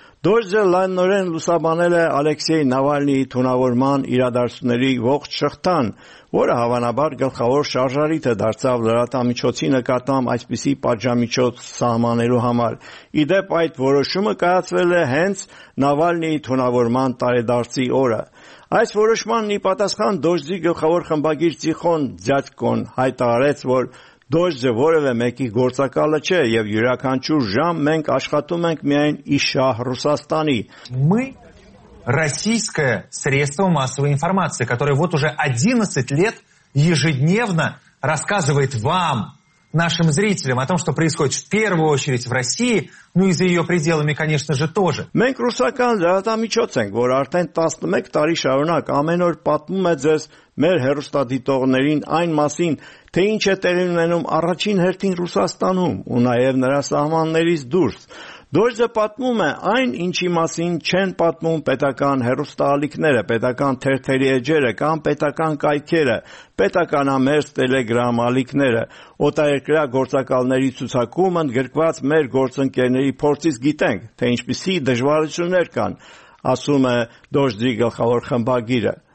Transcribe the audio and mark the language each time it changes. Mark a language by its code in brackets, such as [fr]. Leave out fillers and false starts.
[hy] ԴՕՇԴ-ը լայնորեն լուսաբանել է Ալեքսեյ Նավալնիի թունավորման իրադարձությունների ողջ շղթան, որը հավանաբար գլխավոր շարժարիթ է դարձավ լրատամիջոցի նկատմամբ այսպիսի պատժամիջոց սահմանելու համար։ Ի դեպ, այդ որոշումը կայացվել է հենց Նավալնիի թունավորման տարեդարձի օրը։ Այս որոշմանն ի պատասխան ԴՕՇԴ-ի գլխավոր խմբագիր Ձիխոն Ձյաձկոն հայտարարեց, որ ԴՕՇԴ-ը որևէ մեկի գործակալը չէ և յուրաքանչյուր ժամ մենք աշխատում ենք միայն իշխան Ռուսաստանի։ [ru] Российское средство массовой информации, которое вот уже 11 лет ежедневно рассказывает вам, нашим зрителям, о том, что происходит в первую очередь в России, ну и за ее пределами, конечно же, тоже. [hy] Մենք ռուսական լրատվամիջոց ենք, որ արդեն 11 տարի շարունակ ամեն օր պատմում է ձեզ մեր հեռուստադիտողներին այն մասին, թե ինչ է տեղի ունենում առաջին հերթին Ռուսաստանում ու նաև նրա սահմաններից դուրս։ ԴՕՇԴ-ը պատմում է այն, ինչի մասին չեն պատմում պետական հեռուստաալիքները, պետական թերթերի էջերը կամ պետական կայքերը, պետականամերձ տելեգրամալիքները, օտարերկրյա գործակալների ցուցակումը ընդգրկված մեր գործընկերների փորձից գիտենք, թե ինչպիսի դժվարություններ կան, ասում է ԴՕՇԴ-ի գլխավոր խմբագիրը։